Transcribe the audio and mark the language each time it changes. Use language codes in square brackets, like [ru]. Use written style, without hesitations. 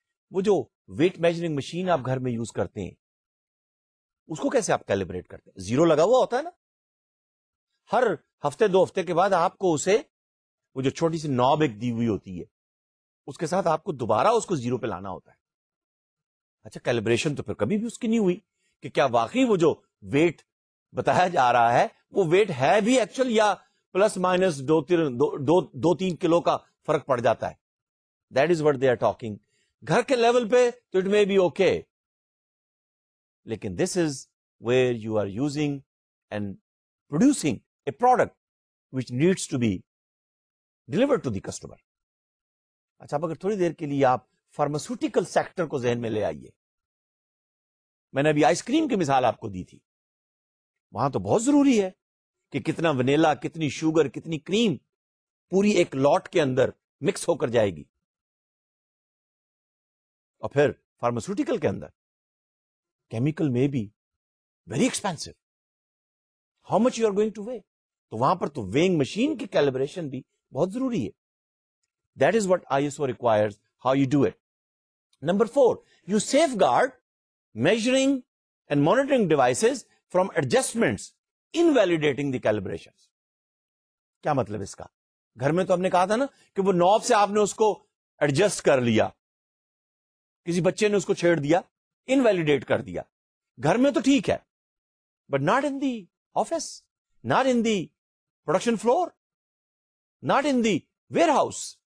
[ur] وہ جو wait measuring machine آپ گھر میں یوز کرتے ہیں اس کو کیسے آپ کیلیبریٹ کرتے ہیں؟ زیرو لگا ہوا ہوتا ہے نا، ہر ہفتے دو ہفتے کے بعد آپ کو اسے، وہ جو چھوٹی سی نوب ایک دی ہوئی ہوتی ہے اس کے ساتھ آپ کو دوبارہ اس کو زیرو پہ لانا ہوتا ہے. اچھا کیلیبریشن تو پھر کبھی بھی اس کی نہیں ہوئی کہ کیا واقعی وہ جو ویٹ بتایا جا رہا ہے وہ ویٹ ہے بھی ایکچوئل، یا پلس مائنس دو تین کلو کا فرق پڑ جاتا ہے. [en] That is what they are talking. [ur] گھر کے لیول پہ تو [en] It may be okay, لیکن this is where you are using and producing a product which needs to be deliver to the customer. [ur] اچھا اب اگر تھوڑی دیر کے لیے آپ فارماسیوٹیکل سیکٹر کو ذہن میں لے آئیے، میں نے ابھی آئس کریم کی مثال آپ کو دی تھی، وہاں تو بہت ضروری ہے کہ کتنا ونیلا، کتنی شوگر، کتنی کریم پوری ایک لاٹ کے اندر مکس ہو کر جائے گی. اور پھر فارماسیوٹیکل کے اندر کیمیکل میں بھی [en] very expensive, how much you are going to weigh, [ur] تو وہاں پر تو ویئنگ مشین کی کیلیبریشن بھی بہت ضروری ہے. [en] That is what ISO requires, how you do it. Number four, you safeguard measuring and monitoring devices from adjustments invalidating the calibrations. [ur] کیا مطلب اس کا؟ گھر میں تو ہم نے کہا تھا نا کہ وہ نوب سے آپ نے اس کو ایڈجسٹ کر لیا، کسی بچے نے اس کو چھیڑ دیا، انویلیڈیٹ کر دیا. گھر میں تو ٹھیک ہے [en] But not in the office, not in the production floor, not in the warehouse.